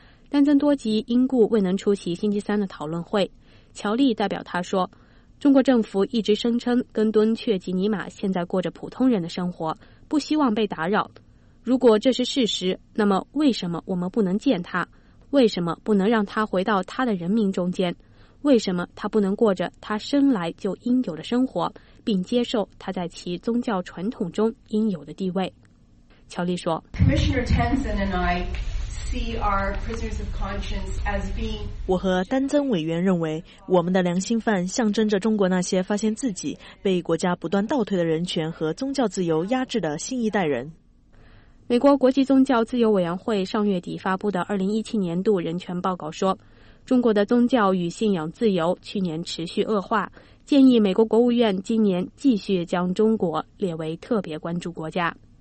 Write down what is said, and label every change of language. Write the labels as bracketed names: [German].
[Chinese] 丹增多吉因故未能出席星期三的讨论会，乔利代表他说，中国政府一直声称根敦·雀吉尼玛现在过着普通人的生活，不希望被打扰。如果这是事实，那么为什么我们不能见他？为什么不能让他回到他的人民中间？为什么他不能过着他生来就应有的生活，并接受他在其宗教传统中应有的地位？乔利说， [English] Commissioner Tenzin and I see our prisoners of conscience as being [Chinese] 我和丹增委员认为，我们的良心犯象征着中国那些发现自己被国家不断倒退的人权和宗教自由压制的新一代人。美国国际宗教自由委员会上月底发布的2017年度人权报告说，中国的宗教与信仰自由去年持续恶化，建议美国国务院今年继续将中国列为特别关注国家。